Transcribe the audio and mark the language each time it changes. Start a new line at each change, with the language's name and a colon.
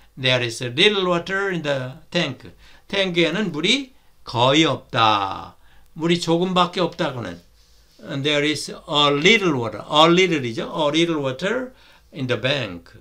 English: There is a little water in the tank.
Korean: 탱크에는 물이 거의 없다. 물이 조금밖에 없다고는.
English: There is a little water. A little이죠. A little water in the bank.